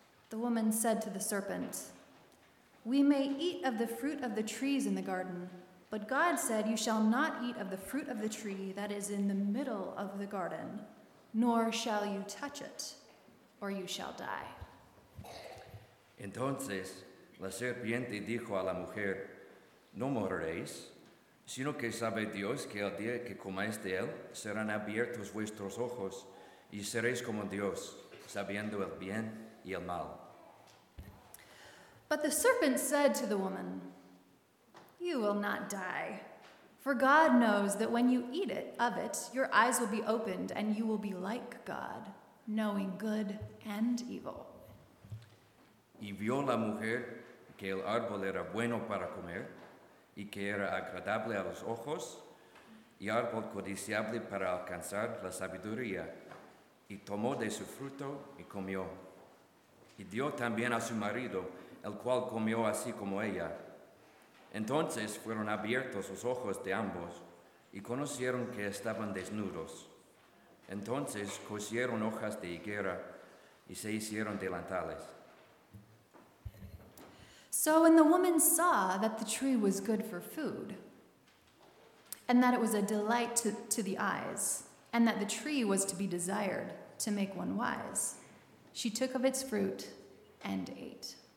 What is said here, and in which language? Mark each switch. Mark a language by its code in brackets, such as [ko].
[en] The woman said to the serpent, we may eat of the fruit of the trees in the garden, but God said you shall not eat of the fruit of the tree that is in the middle of the garden, nor shall you touch it, or you shall die. [es] Entonces, la serpiente dijo a la mujer, no moriréis, sino que sabe Dios que el día que comáis de él, serán abiertos vuestros ojos y seréis como Dios, sabiendo el bien y el mal. [en] But the serpent said to the woman, you will not die, for God knows that when you eat it of it, your eyes will be opened and you will be like God, knowing good and evil. [es] Y vio la mujer que el árbol era bueno para comer, y que era agradable a los ojos, y árbol codiciable para alcanzar la sabiduría, y tomó de su fruto y comió. Y dio también a su marido, el cual comió así como ella. Entonces fueron abiertos los ojos de ambos, y conocieron que estaban desnudos. Entonces cosieron hojas de higuera, y se hicieron delantales. [en] So when the woman saw that the tree was good for food, and that it was a delight to the eyes, and that the tree was to be desired to make one wise, she took of its fruit and ate.